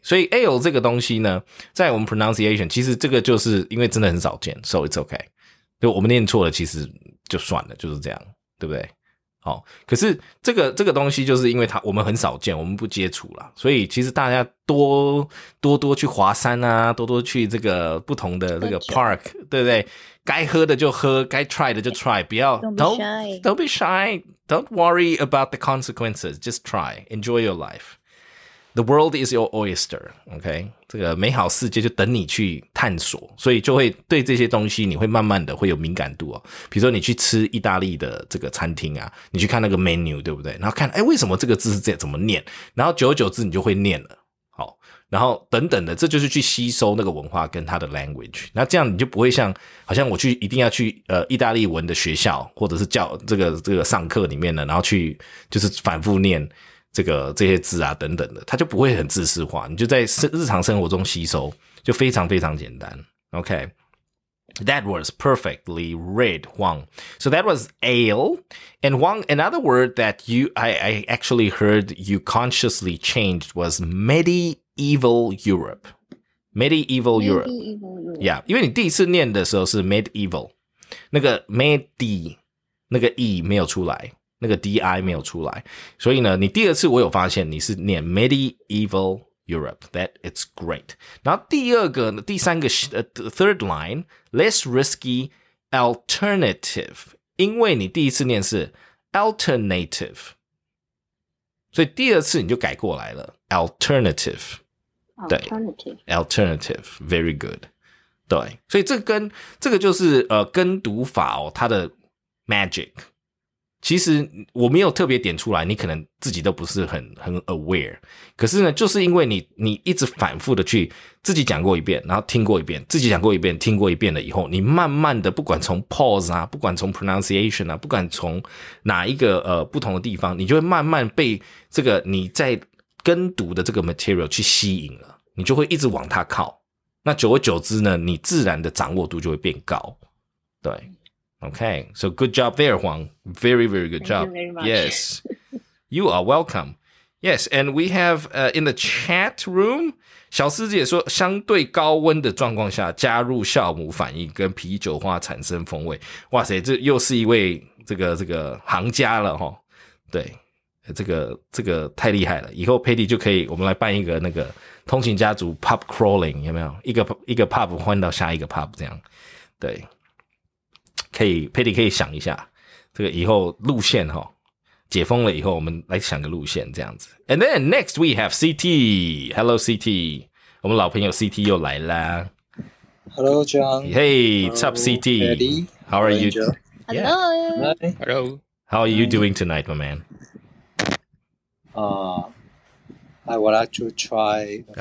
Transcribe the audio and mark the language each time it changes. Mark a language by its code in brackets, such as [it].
[zh] 所以 ale 这个东西呢，在我们 pronunciation， 其实这个就是因为真的很少见 ， [en] so it's OK， [zh] 就我们念错了，其实就算了，就是这样，对不对？好、哦，可是这个东西就是因为它我们很少见，我们不接触啦，所以其实大家多多去华山啊，多多去这个不同的这个 park， 对不对？该喝的就喝，该 try 的就 try， 不要 [en] don't be shy，don't worry about the consequences，just try， enjoy your life，the world is your oyster，OK，、okay? [zh] 这个美好世界就等你去探索，所以就会对这些东西你会慢慢的会有敏感度哦。比如说你去吃意大利的这个餐厅啊，你去看那个 menu， 对不对？然后看，哎，为什么这个字是这样，怎么念？然后久而久之你就会念了，好，然后等等的，这就是去吸收那个文化跟它的 language。那这样你就不会像好像我去一定要去意大利文的学校或者是教这个上课里面呢，然后去就是反复念这些字啊等等的，它就不会很知识化，你就在日常生活中吸收，就非常非常简单。 [en] OK， that was perfectly read, Huang. So that was ale, and Huang, another word that I actually heard you consciously changed was medieval Europe. Medieval Europe. [zh] Yeah, 因为你第一次念的时候是 medieval， 那个 medi 那个 e 没有出来。那个 DI 没有出来，所以呢你第二次我有发现你是念 medieval Europe. [en] That it's great. [zh] 然后第二个第三个、 [en] third line, less risky alternative, [zh] 因为你第一次念是 alternative, 所以第二次你就改过来了 alternative, [en] alternative, 对 alternative, very good. [zh] 对，所以这个跟这个就是跟读法哦，它的 magic， 其实我没有特别点出来，你可能自己都不是很 aware， 可是呢，就是因为你一直反复的去自己讲过一遍，然后听过一遍，自己讲过一遍，听过一遍了以后，你慢慢的不管从 pause 啊，不管从 pronunciation 啊，不管从哪一个不同的地方，你就会慢慢被这个你在跟读的这个 material 去吸引了，你就会一直往它靠。那久而久之呢，你自然的掌握度就会变高，对 ，OK， [en] so good job there, Huang, very very good job. Thank you very much. Yes, you are welcome. Yes, and we have in the chat room, [zh] 小师姐说，相对高温的状况下加入酵母反应跟啤酒花产生风味，哇塞，这又是一位这个行家了哈，对。这个太厉害了，以后 Paddy 就可以，我们来办一个那个通勤家族 pub crawling， 有没有一个 pub 换到下一个 pub 这样，对，可以 Paddy 可以想一下这个以后路线齁，解封了以后我们来想个路线这样子。 [en] And then next we have CT， Hello CT， [zh] 我们老朋友 CT 又来啦。 [en] Hello John， Hey， what's up CT？ Paddy， How are you？ Hello、 yeah. Hi. Hello， How are you doing tonight my man？ I would like to try the、